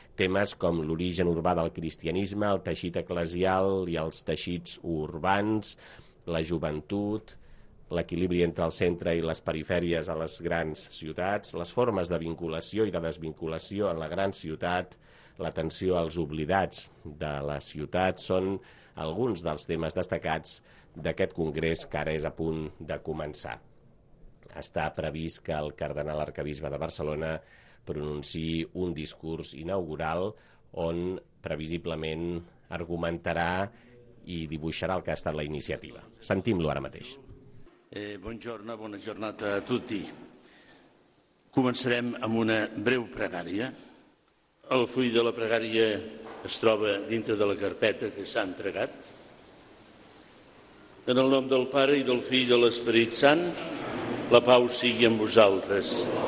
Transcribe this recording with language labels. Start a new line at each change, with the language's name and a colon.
Catalan: Temes com l'origen urbà del cristianisme, el teixit eclesial i els teixits urbans, la joventut, l'equilibri entre el centre i les perifèries a les grans ciutats, les formes de vinculació i de desvinculació en la gran ciutat, l'atenció als oblidats de la ciutat, són alguns dels temes destacats d'aquest congrés que ara és a punt de començar. Està previst que el cardenal arcabisbe de Barcelona pronunciï un discurs inaugural on previsiblement argumentarà i dibuixarà el que ha estat la iniciativa. Sentim-lo ara mateix.
Italian: Buongiorno, bona giornata a tutti.
Catalan: Començarem amb una breu pregària. El full de la pregària es troba dintre de la carpeta que s'ha entregat. En el nom del Pare i del Fill i de l'Esperit Sant, la pau sigui amb vosaltres.